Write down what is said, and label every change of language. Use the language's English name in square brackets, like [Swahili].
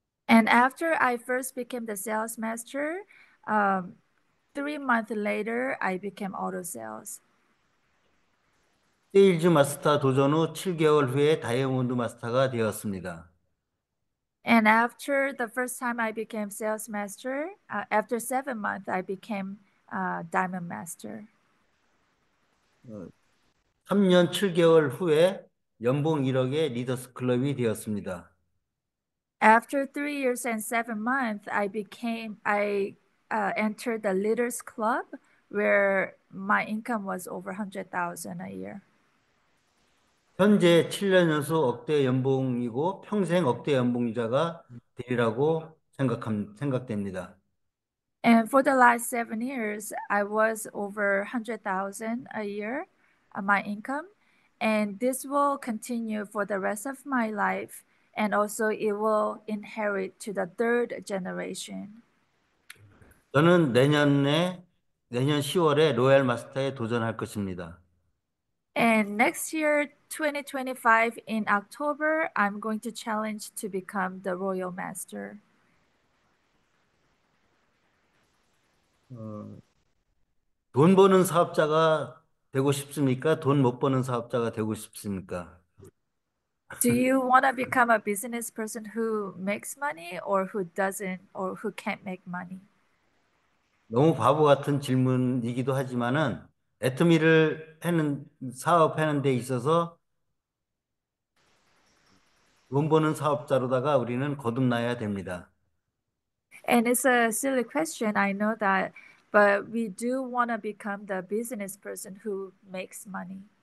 [English] And after I first became the sales master, 3 months later, I became auto sales. [Korean] 세일즈 마스터 도전 후 7개월 후에 다이아몬드 마스터가 되었습니다. [English] And after the first time I became sales master, after 7 months, I became diamond master. [Korean] 3년 7개월 후에 연봉 1억의 리더스 클럽이 되었습니다. [English] After 3 years and 7 months, I entered the Leaders Club where my income was over 100,000 a year. [Korean] 현재 7년 연속 억대 연봉이고 평생 억대 연봉자가 되리라고 생각됩니다. [English] And for the last 7 years, I was over 100,000 a year, my income. And this will continue for the rest of my life, and also it will inherit to the third generation. [Korean] 저는 내년 10월에 로얄 마스터에 도전할 것입니다. [English] And next year, 2025, in October, I'm going to challenge to become the Royal Master. [Korean] 돈 버는 사업자가 되고 싶습니까? 돈못 버는 사업자가 되고 싶습니까? [English] Do you want to become a business person who makes money or who doesn't or who can't make money? [Korean] 너무 바보 같은 질문이기도 하지만은 애터미를 사업하는 데 있어서 돈 버는 사업자로다가 우리는 거듭나야 됩니다. [English] And it's a silly question, I know that, but we do want to become the business person who makes money.